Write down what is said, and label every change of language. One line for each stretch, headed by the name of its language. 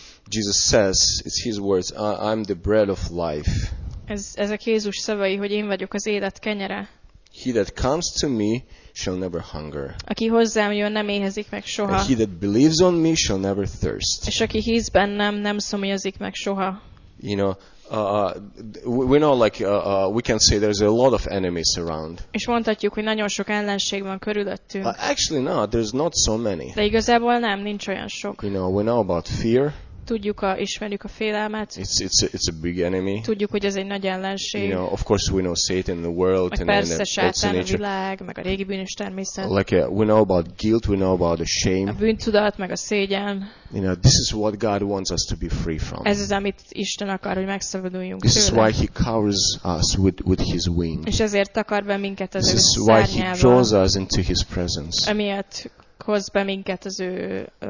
English: Jesus says, it's his words, I'm the bread of life.
Hungarian: Ezek Jézus szavai, hogy én vagyok az élet kenyere.
English: He that comes to me shall never hunger.
Hungarian: Aki hozzám jön, nem éhezik meg soha.
English: And he that believes on me shall never thirst.
Hungarian: És aki hisz bennem, nem szomjazik meg soha.
English: You know, we know like we can say there's a lot of enemies around.
Hungarian: És mondhatjuk, hogy nagyon sok ellenség van körülöttünk.
English: But actually not, there's not so many.
Hungarian: De igazából nem, nincs olyan sok.
English: You know, we know about fear.
Hungarian: Tudjuk, ismerjük a félelmet.
English: It's a big enemy.
Hungarian: Tudjuk, hogy ez egy nagy ellenség.
English: You know, of course we know Satan, the world,
Hungarian: meg
English: and
Hungarian: persze Sátán, a világ, meg a régi bűnös természet.
English: Like we know about guilt, we know about the shame.
Hungarian: A bűntudat, meg a szégyen.
English: You know, this is what God wants us to be free from.
Hungarian: Ez az, amit Isten akar, hogy megszabaduljunk tőle.
English: This is why he covers us with his wings.
Hungarian: És ezért takar be minket az ő szárnyával.
English: This is why he draws us into his presence.
Hungarian: Amiért hoz be minket az ő